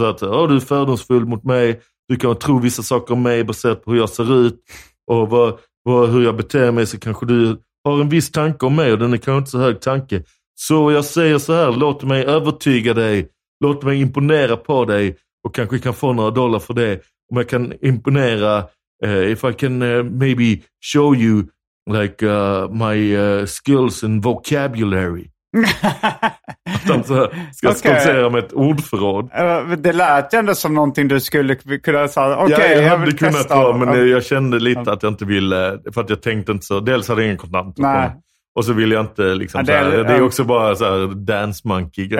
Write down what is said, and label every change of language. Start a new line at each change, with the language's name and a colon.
Swedish: Alltså att, du är fördomsfull mot mig. Du kan tro vissa saker om mig baserat på hur jag ser ut och hur jag beter mig. Så kanske du har en viss tanke om mig och den är kanske inte så hög tanke. Så jag säger så här, låt mig övertyga dig. Låt mig imponera på dig och kanske kan få några dollar för det. Om jag kan imponera...
English: if I can maybe show you like my skills and vocabulary.
Swedish: Att han ska skonsera med ett ordförråd. Det lät ändå som någonting du skulle kunna säga. Okay, ja, jag hade kunnat testa, men jag kände lite att jag inte ville. För att jag tänkte inte så. Dels hade jag ingen kontant. Nej. Och så vill jag inte liksom, ja, det, så här, det är också bara så här dance monkey grej.